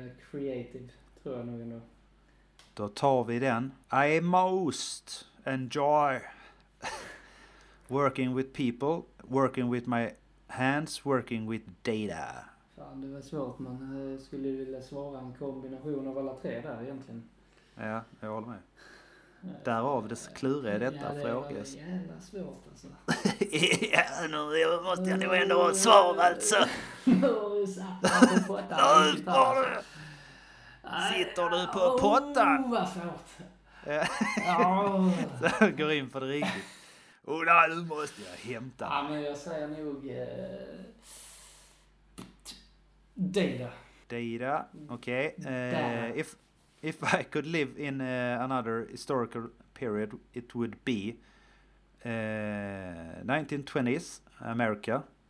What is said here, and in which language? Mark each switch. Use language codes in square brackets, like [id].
[sv] Creative, tror jag nog ändå. Då tar vi den. [en] I most enjoy working with people, working with my hands, working with data. [sv] Fan, det var svårt. Man skulle vilja svara en kombination av alla tre där egentligen. Ja, jag håller med. Därav dess klur är detta fråga. Ja, det frågas. Var det jävla svårt alltså. Ja, nu måste jag nog ändå ha ett svar alltså. Nu har du sitter du på pottan? Åh, vad svårt. Så går in på det riktigt. Oh, nej, nu måste jag hämta. Ja, men jag säger nog data. Data, okej. [en] Okay. If I could live in another historical period, it would be 1920s America.